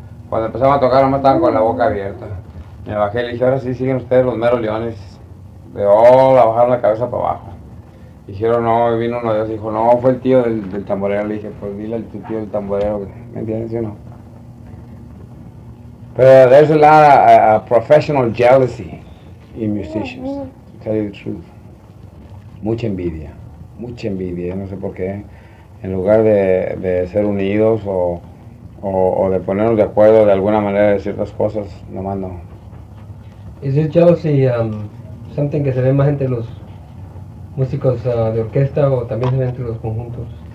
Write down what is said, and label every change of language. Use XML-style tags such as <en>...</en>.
<es>Cuando empezaba a tocar nomás estaban con la boca abierta. Me bajé y le dije, ahora sí siguen ustedes los meros leones. De la bajaron la cabeza para abajo. Dijeron, no, y vino uno de ellos y dijo, no, fue el tío del tamborero. Le dije, pues dile al tío del tamborero, ¿me entiendes o no?</es> <en>Pero there's a lot of professional jealousy in musicians, to tell you the truth.</en> <es>Mucha envidia, no sé por qué. En lugar de ser unidos o de ponernos de acuerdo de alguna manera de ciertas cosas, nomás no. ¿Es el</es> <en>jealousy something</en> <es>que se ve más entre los músicos de orquesta o también se ve entre los conjuntos?</es>